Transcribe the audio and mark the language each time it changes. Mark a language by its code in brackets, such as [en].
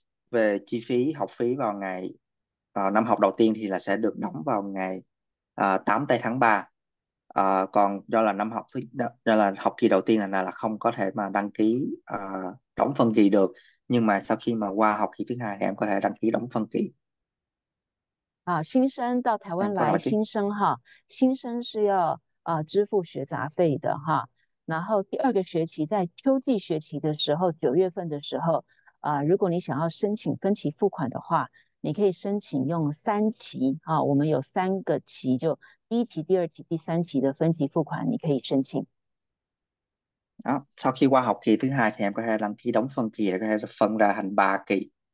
[vi] Về chi phí học phí vào năm học đầu tiên thì là sẽ được đóng vào ngày 8 tây tháng 3. Còn do là học kỳ đầu tiên là không có thể mà đăng ký đóng phân kỳ được. Nhưng mà sau khi mà qua học kỳ thứ hai thì em có thể đăng ký đóng phân kỳ. [zh] À, 新生到台湾 [vi] Em có [zh] 来， [vi] nói chứ? [zh] 新生哈，新生是要支付学杂费的哈。然后第二个学期在秋季学期的时候，9月份的时候，如果你想要申请分期付款的话，你可以申请用3期啊，我们有3个期，就第一期、第二期、第三期的分期付款，你可以申请。 [vi] Đó. Sau khi qua học kỳ thứ hai thì em có thể đăng ký đóng phân kỳ để có thể phân ra thành 3 kỳ.